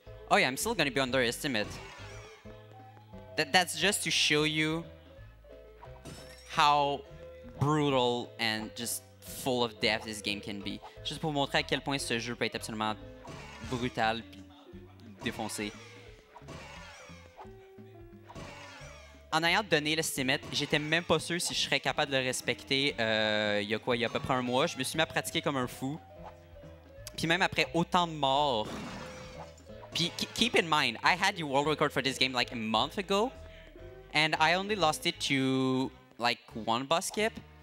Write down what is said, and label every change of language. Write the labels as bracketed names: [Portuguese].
[English] Oh yeah, I'm still gonna be underestimate. That's just to show you how brutal and just full of death this game can be. [French] Just pour montrer à quel point ce jeu peut être absolument brutal et défoncé. En ayant donné l'estimate, j'étais même pas sûr si je serais capable de le respecter il y a à peu près un mois. Je me suis mis à pratiquer comme un fou. Puis même après autant de morts. [English] Puis, keep in mind, I had the world record for this game like a month ago, and I only lost it to like one boss skip.